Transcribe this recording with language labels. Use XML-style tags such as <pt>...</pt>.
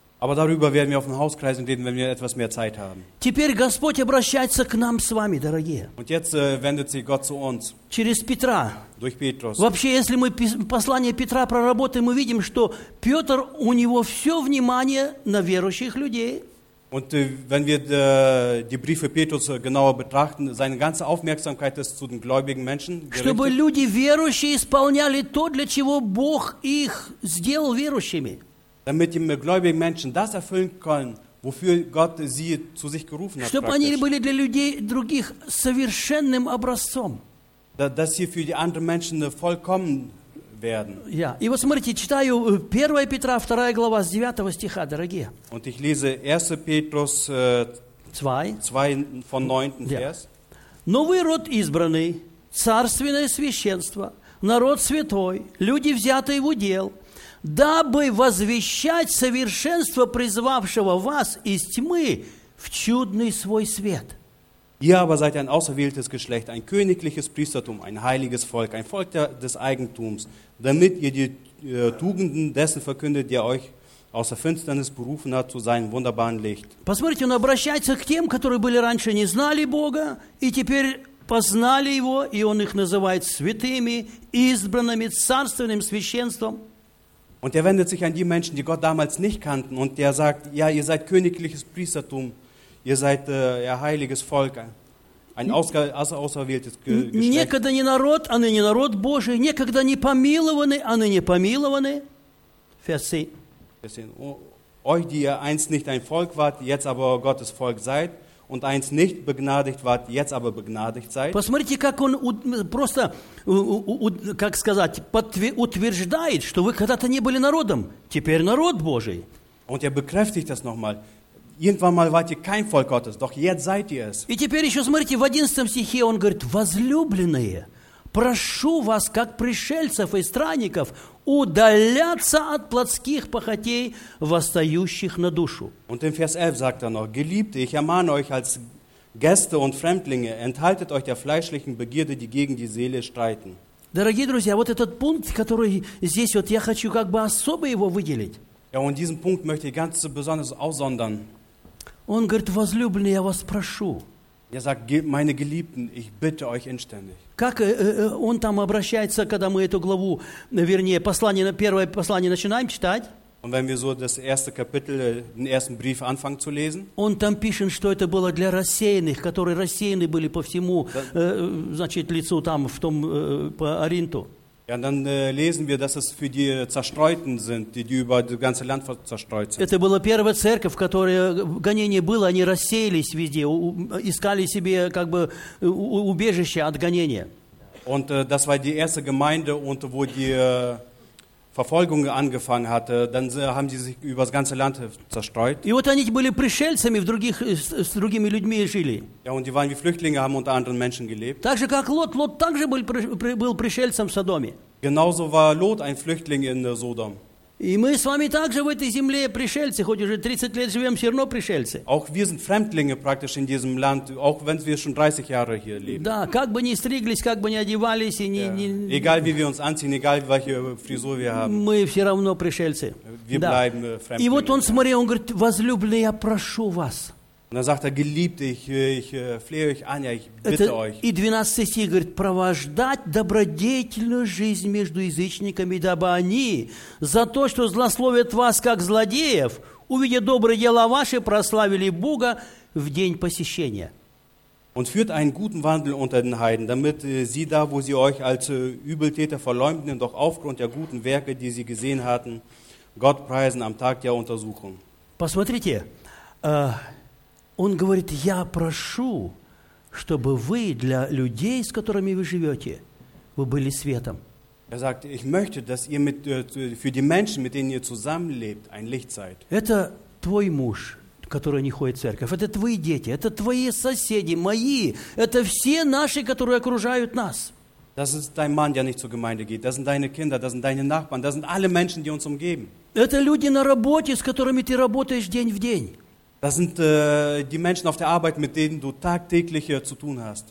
<de>Aber darüber werden wir auf dem Hauskreis reden, wenn wir etwas mehr Zeit haben.</de> <ru>Теперь Господь обращается к нам с вами, дорогие.</ru> <de>Und jetzt wendet sich Gott zu uns.</de> <ru>Через Петра.</ru> <de>Durch Petrus.</de> <ru>Вообще, если мы послание Петра проработаем, мы видим, что Петр, у него все внимание на верующих людей.</ru> <de>Und wenn wir die Briefe Petrus genauer betrachten, seine ganze Aufmerksamkeit ist zu den gläubigen Menschen gerichtet.</de> <ru>Чтобы люди верующие исполняли то, для чего Бог их сделал верующими.</ru> <de>Damit die gläubigen Menschen das erfüllen können, wofür Gott sie zu sich gerufen hat.</de> <ru>Чтобы они были для людей других совершенным образцом.</ru> <de>Dass sie für die anderen Menschen vollkommen werden. Ja.</de> <ru>И вот смотрите, читаю 1 Петра, 2 глава, с 9 стиха, дорогие.</ru> <de>Und ich lese 1. Petrus 2 von 9. Ja. Vers.</de> <ru>Новый род избранный, царственное священство, народ святой, люди, взятые в удел, дабы возвещать совершенство призвавшего вас из тьмы в чудный свой свет.</ru> <de>Ihr aber seid ein auserwähltes Geschlecht, ein königliches Priestertum, ein heiliges Volk, ein Volk des Eigentums, damit ihr die Tugenden dessen verkündet, der euch aus der Finsternis berufen hat zu seinem wunderbaren Licht.</de> <ru>Посмотрите, он обращается к тем, которые были раньше не знали Бога, и теперь познали его, и он их называет святыми, избранными, царственным священством.</ru> <de>Und er wendet sich an die Menschen, die Gott damals nicht kannten, und der sagt, ja, ihr seid königliches Priestertum, ihr seid heiliges Volk, ein auserwähltes Geschlecht.</de> <ru>Некогда не народ, а ныне народ Божий, некогда не помилованы, а ныне помилованы.</ru> <de>Vers 10. Euch, die ihr einst nicht ein Volk wart, jetzt aber Gottes Volk seid, und einst nicht begnadigt wart, jetzt aber begnadigt seid.</de> <ru>Посмотрите, как он просто, как сказать, утверждает, что вы когда-то не были народом, теперь народ Божий.</ru> <de>Und er bekräftigt das nochmal. Irgendwann mal wart ihr kein Volk Gottes, doch jetzt seid ihr es.</de> <ru>И теперь еще смотрите, в 11 стихе он говорит, возлюбленные, прошу вас, как пришельцев и странников, удаляться от плотских похотей, восстающих на душу.</ru> <de>Und in Vers 11 sagt er noch, Geliebte, ich ermahne euch als Gäste und Fremdlinge, enthaltet euch der fleischlichen Begierde, die gegen die Seele streiten.</de> <ru>Дорогие друзья, вот этот пункт, который здесь вот я хочу как бы особо его выделить.</ru> <de>Ja, und diesen Punkt möchte ich ganz besonders aussondern.</de> <ru>Он говорит, возлюбленные, я вас прошу.</ru> <de>Er sagt, meine Geliebten, ich bitte euch inständig.</de> <ru>Как он там обращается, когда мы эту главу, вернее, послание, первое послание начинаем читать?</ru> <de>Und wenn wir so das erste Kapitel, den ersten Brief anfangen zu lesen?</de> <ru>Он там пишет, что это было для рассеянных, которые рассеяны были по всему, значит, лицу там, в том, по Оринту.</ru> <de>Ja, dann lesen wir, dass es für die Zerstreuten sind, die über das ganze Land zerstreut sind.</de> <ru>Это была первая церковь, в которой гонение было, они рассеялись везде, искали себе как бы убежище от гонения.</ru> <de>Und das war die erste Gemeinde, und wo die Verfolgung angefangen hatte, dann haben sie sich über das ganze Land zerstreut.</de> <ru>И вот они были пришельцами, в других с другими людьми жили.</ru> <de>Ja, und die waren wie Flüchtlinge, haben unter anderen Menschen gelebt.</de> <ru>Так же как Лот также был пришельцем в Содоме.</ru> <de>Genauso war Lot ein Flüchtling in Sodom.</de> <ru>И мы с вами также в этой земле пришельцы, хоть уже 30 лет живем, все равно пришельцы.</ru> <de>Auch wir sind Fremdlinge praktisch in diesem Land, auch wenn wir schon 30 Jahre hier leben.</de> <ru>Да, как бы ни стриглись, как бы ни одевались и ни, yeah. ни...</ru> <de>Egal wie wir uns anziehen, egal welche Frisur wir haben.</de> <ru>Мы все равно пришельцы.</ru> <de>Wir</de> <ru>да.</ru> <de>bleiben Fremdlinge.</de> <ru>И вот он смотрел, он говорит: «Возлюбленные, я прошу вас».</ru> <de>Und dann sagt er, Geliebte, ich flehe euch an, ja, ich bitte euch.</de> <ru>И 12 стих говорит, провождать добродетельную жизнь между язычниками, дабы они за то, что злословят вас, как злодеев, увидя добрые дела ваши, прославили Бога в день посещения.</ru> <de>Und führt einen guten Wandel unter den Heiden, damit sie da, wo sie euch als Übeltäter verleumden, doch aufgrund der guten Werke, die sie gesehen hatten, Gott preisen am Tag der Untersuchung.</de> <ru>Посмотрите, Он говорит, я прошу, чтобы вы для людей, с которыми вы живете, вы были светом.</ru> <de>Er sagt, ich möchte, dass ihr mit, für die Menschen, mit denen ihr zusammenlebt, ein Licht seid.</de> <ru>Это твой муж, который не ходит в церковь. Это твои дети, это твои соседи, мои. Это все наши, которые окружают нас.</ru> <de>Das ist dein Mann, der nicht zur Gemeinde geht. Das sind deine Kinder, das sind deine Nachbarn, das sind alle Menschen, die uns umgeben.</de> <ru>Это люди на работе, с которыми ты работаешь день в день.</ru> <de>Das sind die Menschen auf der Arbeit, mit denen du tagtäglich zu tun hast.</de>